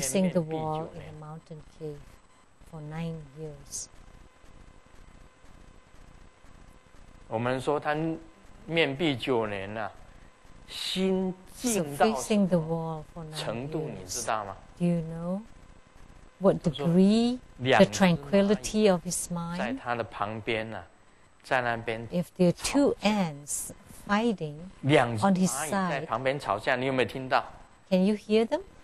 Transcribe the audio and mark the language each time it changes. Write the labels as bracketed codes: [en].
[en] facing the wall in a mountain cave for 9 years. [zh] 我们说他面壁九年啊, 心 [en] So facing the wall for 9 years, do you know what degree, the tranquility of his mind? If there are two ants fighting on his side, can you hear them?